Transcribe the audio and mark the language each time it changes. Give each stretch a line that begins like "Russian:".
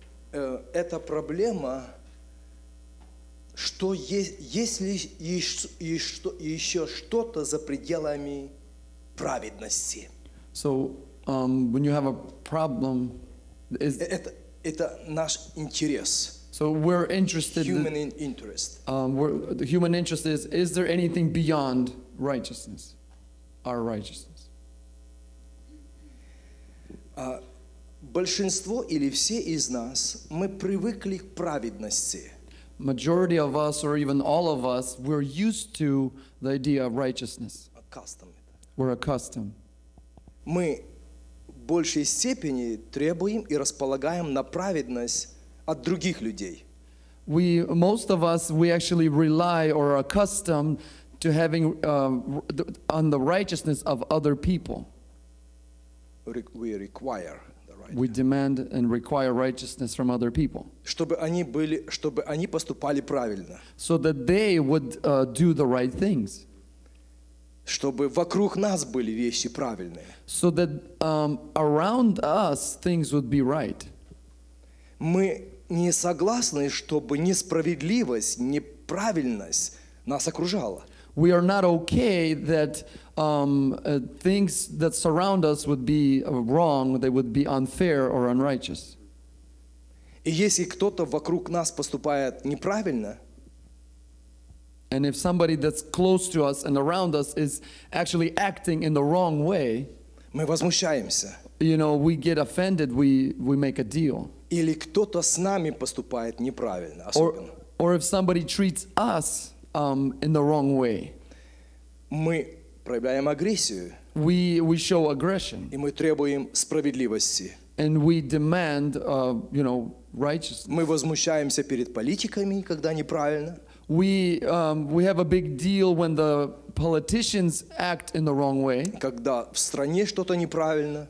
Russian: Эта проблема, что есть ли еще что-то за пределами праведности.
English: So, when you have a problem, is
Russian: это наш интерес.
English: So we're interested. Human interest. The human interest is there anything beyond righteousness, our righteousness?
Russian: Большинство или все из нас, мы привыкли к праведности.
English: Majority of us, or even all of us, we're used to the idea of righteousness. Accustomed. We're accustomed.
Russian: Мы в большей степени требуем и располагаем на праведность от других людей.
English: We, most of us, we actually rely or are accustomed to having on the righteousness of other people. We require. We demand and require righteousness from other people.
Russian: Чтобы они поступали правильно.
English: So that they would do the right things.
Russian: Чтобы вокруг нас были вещи правильные.
English: So that around us things would be right.
Russian: Мы не согласны, чтобы несправедливость, неправильность нас окружала.
English: We are not okay that things that surround us would be wrong, they would be unfair or unrighteous.
Russian: И если кто-то вокруг нас поступает неправильно,
English: and if somebody that's close to us and around us is actually acting in the wrong way,
Russian: мы возмущаемся.
English: You know, we get offended, we make a deal.
Russian: Или кто-то с нами поступает неправильно, особенно.
English: Or if somebody treats us in the wrong way.
Russian: Мы проявляем агрессию.
English: We show aggression.
Russian: И мы требуем справедливости.
English: And we demand, you know, righteousness.
Russian: Мы возмущаемся перед политиками, когда неправильно.
English: We have a big deal when the politicians act in the wrong way.
Russian: Когда в стране что-то неправильно.